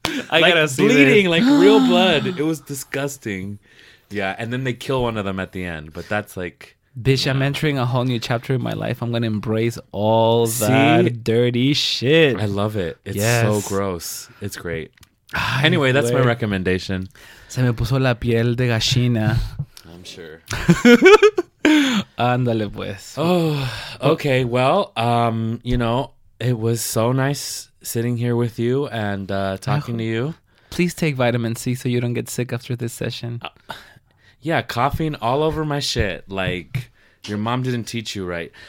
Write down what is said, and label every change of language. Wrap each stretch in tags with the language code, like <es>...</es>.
<en>I like, gotta see bleeding, this. Like real blood. It was disgusting. Yeah, and then they kill one of them at the end. But that's like... Bitch, I'm entering a whole new chapter in my life. I'm gonna embrace all that dirty shit. I love it. It's so gross. It's great. Anyway, that's my recommendation.</en> <es>Se me puso la piel de gallina.</es> <en>I'm sure.</en> <es>Ándale pues.</es> <en>Oh, okay. Well, you know, it was so nice sitting here with you and talking to you. Please take vitamin C so you don't get sick after this session. Yeah, coughing all over my shit. Like, your mom didn't teach you right.</en>